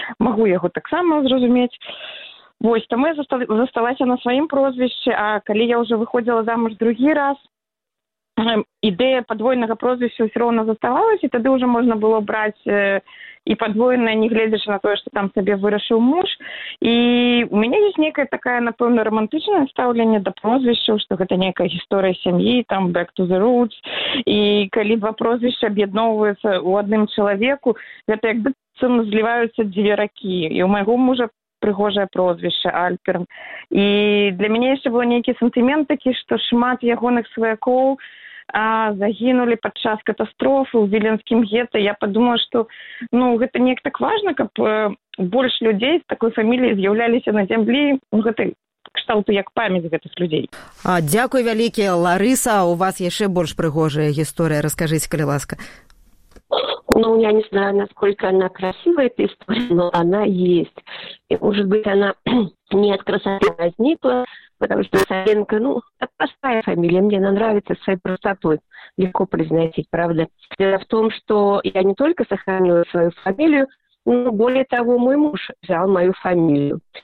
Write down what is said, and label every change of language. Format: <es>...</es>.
<be>Магу яго таксама зразумець. Вось, таму я засталася на сваім прозвішчы, а калі я ўжо выходзіла замуж другі раз, ідэя падвойнага прозвішча ўсё роўна заставалася, і тады ўжо можна было браць і падвойнае, не гледзячы на тое, што там сабе вырашыў муж. І ў мяне ёсць некая такая, напэўна, рамантычнае стаўленне да прозвішчаў, што гэта некая гісторыя сям'і, там</be> <en>back to the roots.</en> <be>І калі два прозвішча аб'ядноўваюцца ў адным чалавеку, гэта як быццам зліваюцца дзве ракі. І ў майго мужа прыгожае прозвішча Альперн. І для мяне яшчэ было нейкі сантымент такі, што шмат ягоных сваякоў загінулі падчас катастрофы ў віленскім гета. Я падумала, што, ну, гэта неяк так важна, каб больш людзей з такой фамілій з'яўляліся на зямлі. Ну, гэта кшталту як памяць гэтых людзей. А дзякуй вялікі, Ларыса, у вас яшчэ больш прыгожая гісторыя, раскажыце, калі ласка.</be> <ru>Ну, я не знаю, насколько она красивая, эта история, но она есть. И, может быть, она не от красоты возникла, потому что Савенко, ну, простая фамилия, мне она нравится своей простотой, легко произносить, правда. Дело в том, что я не только сохранила свою фамилию, но, более того, мой муж взял мою фамилию.</ru>